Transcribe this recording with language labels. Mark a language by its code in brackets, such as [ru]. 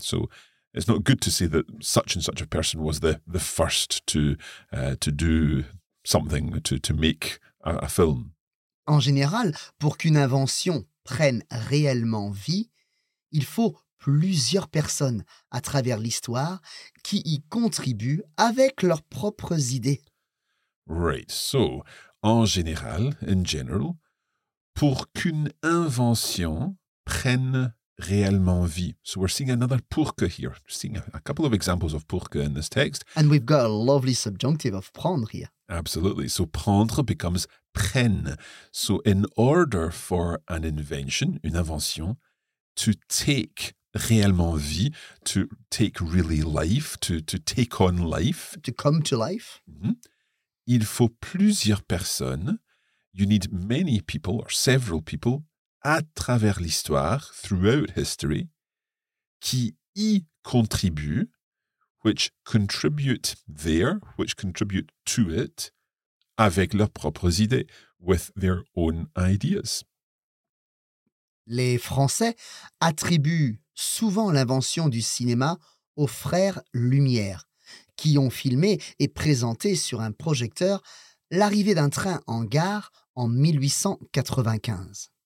[en] So it's not good to say that such and such a person was the first to do something, to make a film. [fr] En général, pour qu'une invention prenne réellement vie, il faut plusieurs personnes à travers l'histoire qui y contribuent avec leurs propres idées. [en] Right. [fr] So, en général, [en] in general, [fr] pour qu'une invention prenne réellement vie. [en] So we're seeing another [fr] pour que [en] here. We're seeing a couple of examples of pour que in this text. And we've got a lovely subjunctive of prendre here. Absolutely. So prendre becomes prenne. So in order for an invention, [fr] une invention, [en] to take [fr] réellement vie, [en] to take really life, to take on life. To come to life. [fr] Mm-hmm. Il faut plusieurs personnes. [en] You need many people or several people [fr] à travers l'histoire, [en] throughout history, [fr] qui y contribuent, [en] which contribute there, which contribute to it, [fr] avec leurs propres idées, [en] with their own ideas. [fr] Les Français attribuent souvent l'invention du cinéma aux frères Lumière, qui ont filmé et présenté sur un projecteur l'arrivée d'un train en gare en 1895.